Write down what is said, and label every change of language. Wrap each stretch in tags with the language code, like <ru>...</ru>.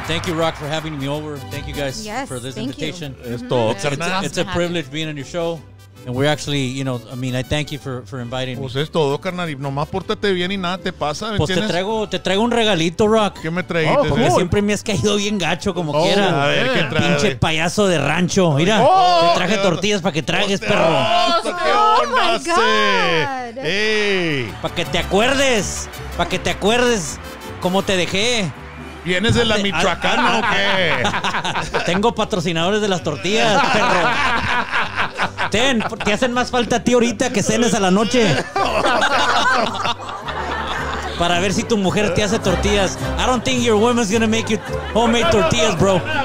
<en>Thank you, Rock, for having me over. Thank you guys for this invitation. Thank you. It's a privilege being on your show. And we're actually, you know, I mean, I thank you for inviting</en> <es>pues Pues es todo, carnal. Nomás pórtate bien y nada te pasa, ¿me pues entiendes? Te traigo un regalito, Rock. ¿Qué me traíste? Porque siempre me has caído bien gacho, como oh, quiera. A ver, ¿qué traes? Pinche payaso de rancho. Mira, oh, te traje tortillas para que tragues, oh, perro. Oh, ¿qué onda? ¡Ey! Para que te acuerdes. Para que te acuerdes cómo te dejé. ¿Vienes de la Michoacán o qué? Tengo patrocinadores de las tortillas, perro. Ten, te hacen más falta a ti ahorita que cenes a la noche. Para ver si tu mujer te hace tortillas.</es> <en>I don't think your woman's gonna make you homemade tortillas, bro.</en>